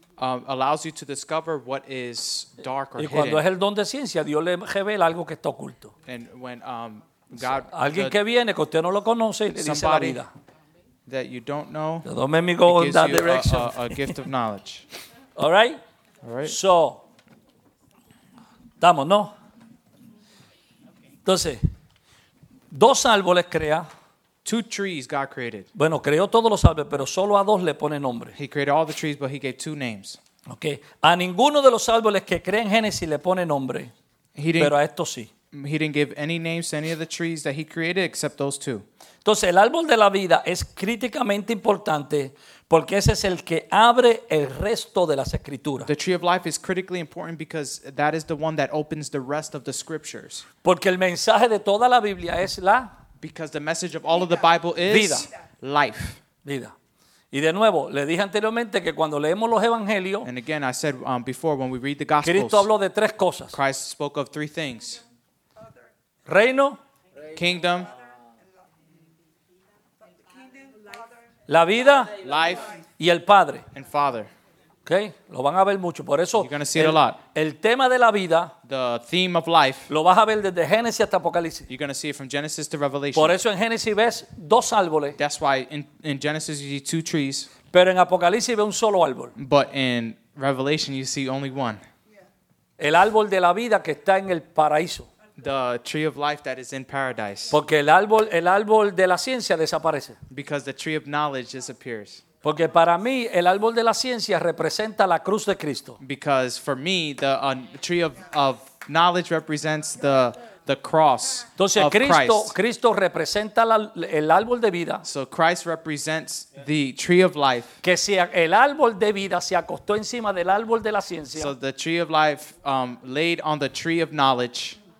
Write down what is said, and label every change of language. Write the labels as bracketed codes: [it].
[en] Allows you to discover what is dark or [es] y [en] hidden. [es] Cuando es el don de ciencia, Dios le revela algo que está oculto. [en] And when God, [es] so, alguien que viene que usted no lo conoce, le dice la vida. [en] That you don't know. Don't make me go in that direction. A gift of knowledge. All right? All right. [es] So, estamos, ¿no? Entonces, dos árboles crea. [en] Two trees God created. [es] Bueno, creó todos los árboles, pero solo a dos le pone nombre. [en] He created all the trees, but he gave two names. Okay. [es] A ninguno de los árboles que crea en Génesis le pone nombre. Pero a estos sí. [en] He didn't give any names to any of the trees that he created except those two. [es] Entonces, el árbol de la vida es críticamente importante porque ese es el que abre el resto de las escrituras. [en] The tree of life is critically important because that is the one that opens the rest of the scriptures. [es] Porque el mensaje de toda la Biblia es la [en] because the message of all of the Bible is [es] vida. [en] Life. [es] Vida. Y de nuevo, le dije anteriormente que cuando leemos los evangelios, [en] and again I said before when we read the gospels, [es] Cristo habló de tres cosas. [en] Christ spoke of three things. [es] Reino, [en] kingdom, [es] la vida, [en] life, [es] y el Padre. [en] And Father. [es] Okay, lo van a ver mucho. Por eso, [en] you're going to see it a lot. [es] El tema de la vida, [en] the theme of life, [es] lo vas a ver desde Génesis hasta Apocalipsis. [en] You're going to see it from Genesis to Revelation. [es] Por eso en Génesis ves dos árboles. [en] That's why in Genesis you see two trees. [es] Pero en Apocalipsis ves un solo árbol. [en] But in Revelation you see only one. [es] El árbol de la vida que está en el paraíso. [en] The tree of life that is in paradise. [es] Porque el árbol de la ciencia desaparece. [en] Because the tree of knowledge disappears. [es] Porque para mí el árbol de la ciencia representa la cruz de Cristo. [en] Because for me the tree of knowledge represents the cross. [es] Entonces, [en] of [es] Cristo representa el árbol de vida. [en] So Christ represents the tree of life. [es] Que si el árbol de vida se acostó encima del árbol de la ciencia. [en] So the tree of life laid on the tree of knowledge.